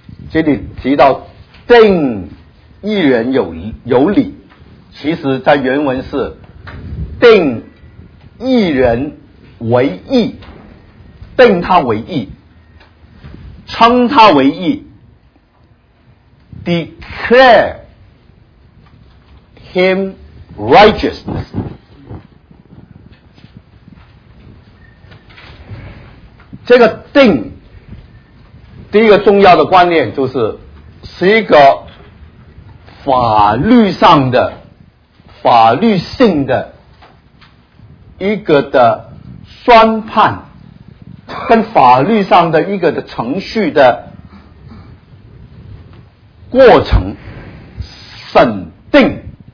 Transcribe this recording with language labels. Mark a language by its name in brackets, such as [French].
[Chinese] 这里提到定义人有理，其实在原文是定义人为义，定他为义，称他为义。 [English] Declare him righteousness. [Chinese] 这个定，第一个重要的观念就是，是一个法律上的、法律性的一个的宣判，跟法律上的一个的程序的过程审定。